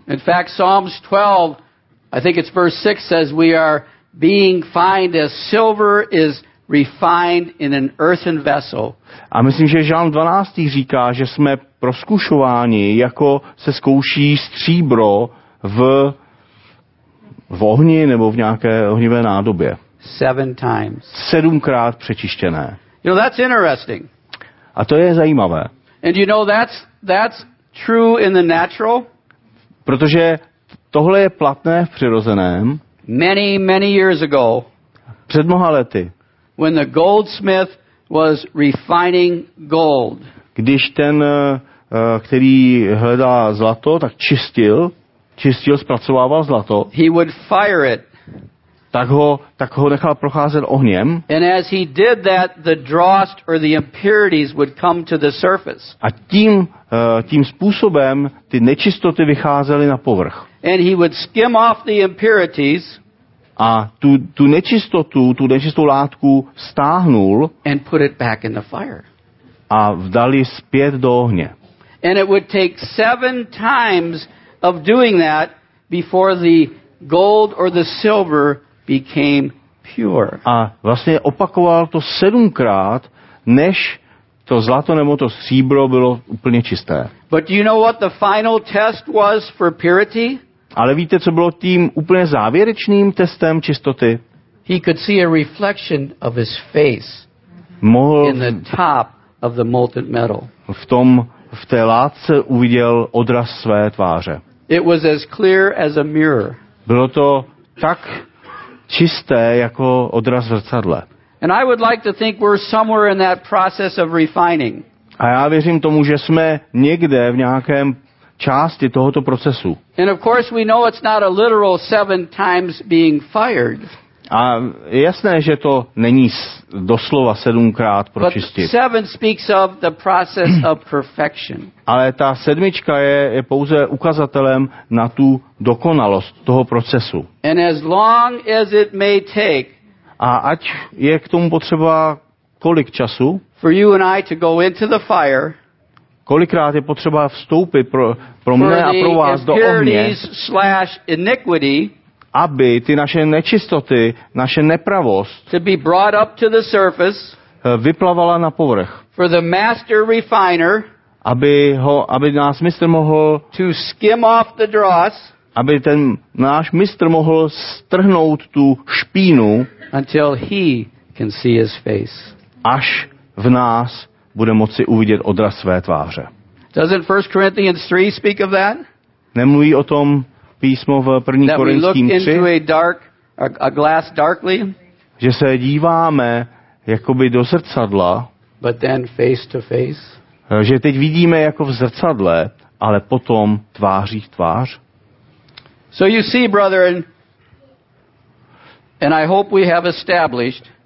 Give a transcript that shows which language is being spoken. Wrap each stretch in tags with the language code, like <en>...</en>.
<en>In fact, Psalms 12, I think it's verse 6, says we are being fined as silver is refined in an earthen vessel.</en> <cs>A myslím, že Žalm 12. říká, že jsme prozkušováni, jako se zkouší stříbro v ohni nebo v nějaké ohnivé nádobě.</cs> <en>Seven times.</en> <cs>Sedmkrát přečištěné.</cs> <en>You know, that's interesting.</en> <cs>A to je zajímavé.</cs> <en>And you know, that's true in the natural.</en> <cs>Protože tohle je platné v přirozeném.</cs> <en>Many, many years ago.</en> <cs>Před mnoha lety.</cs> <en>When the goldsmith was refining gold.</en> <cs>Když ten, který hledá zlato, tak čistil, zpracovával zlato.</cs> <en>He would fire it.</en> <cs>tak ho nechal procházet ohněm.</cs> <en>And as he did that, the dross or the impurities would come to the surface.</en> <cs>A tím způsobem ty nečistoty vycházely na povrch.</cs> <en>And he would skim off the impurities.</en> <cs>A tu nečistou látku stáhnul.</cs> <en>And put it back in the fire.</en> <cs>A vdal ji zpět do ohně.</cs> <en>And it would take 7 times of doing that before the gold or the silver became pure.</en> <cs>A vlastně opakoval to 7krát, než to zlato nebo to stříbro bylo úplně čisté.</cs> <en>But do you know what the final test was for purity?</en> <cs>Ale víte, co bylo tím úplně závěrečným testem čistoty?</cs> <en>He could see a reflection of his face in the top of the molten metal.</en> <cs>V té látce uviděl odraz své tváře.</cs> <en>It was as clear as a mirror.</en> <cs>Bylo to tak čisté jako odraz zrcadla.</cs> <en>And I would like to think we're somewhere in that process of refining.</en> <cs>A já věřím tomu, že jsme někde v nějakém části tohoto procesu.</cs> <en>And of course we know it's not a literal 7 times being fired.</en> <cs>A je jasné, že to není doslova 7krát pročistit.</cs> <en>But 7 speaks of the process of perfection.</en> <cs>Ale ta sedmička je pouze ukazatelem na tu dokonalost toho procesu.</cs> <en>And as long as it may take,</en> <cs>a ať je k tomu potřeba kolik času,</cs> <en>for you and I to go into the fire,</en> <cs>kolikrát je potřeba vstoupit pro mne a pro vás do ohně,</cs> <en>slash iniquity,</en> <cs>aby ty naše nečistoty, naše nepravost</cs> <en>to be brought up to the surface,</en> <cs>vyplavala na povrch.</cs> <en>For the master refiner,</en> <cs>aby nás mistr mohl</cs> <en>to skim off the dross,</en> <cs>aby ten náš mistr mohl strhnout tu špínu,</cs> <en>until he can see his face.</en> <cs>Až v nás bude moci uvidět odraz své tváře.</cs> <en>Doesn't 1 Corinthians 3 speak of that?</en> <cs>Nemluví o tom písmo v 1. Korinským 3?</cs> <en>That we look into a glass darkly,</en> <cs>že se díváme jakoby do zrcadla,</cs> <en>but then face to face,</en> <cs>že teď vidíme jako v zrcadle, ale potom tváří v tvář.</cs> <en>So you see, brethren, and I hope we have established,</en>